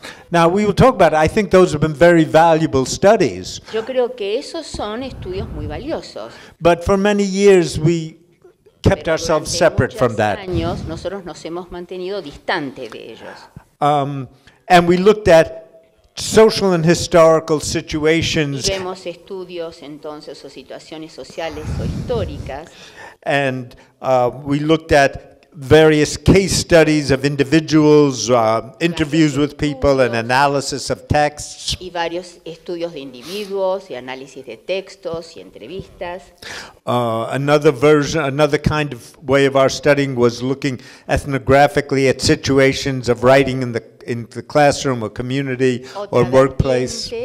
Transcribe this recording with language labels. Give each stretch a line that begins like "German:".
English: Now we will talk about it. I think those have been very valuable studies.
Spanish: Yo creo que esos son estudios muy valiosos.
English: But for many years we kept
Spanish: Pero
English: ourselves separate from that.
Spanish: Durante muchos años nosotros nos hemos mantenido distante de ellos.
English: And we looked at social and historical situations.
Spanish: Y vemos estudios entonces o situaciones sociales o históricas.
English: And we looked at various case studies of individuals, interviews with people, and analysis of texts.
Spanish: Y varios estudios de individuos y análisis de textos y entrevistas.
English: Another kind of way of our studying was looking ethnographically at situations of writing in the classroom or community or workplace.